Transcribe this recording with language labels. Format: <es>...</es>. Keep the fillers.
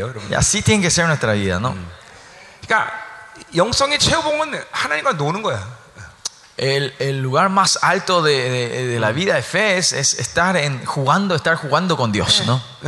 <es>Y así tiene que ser nuestra vida, ¿no? es mm.</es> <ko>son 하나님과 노는 거야.</ko> <es>El, el, lugar más alto de, de, de, la vida de fe es, es estar en, jugando, estar jugando con Dios, ¿no?</es>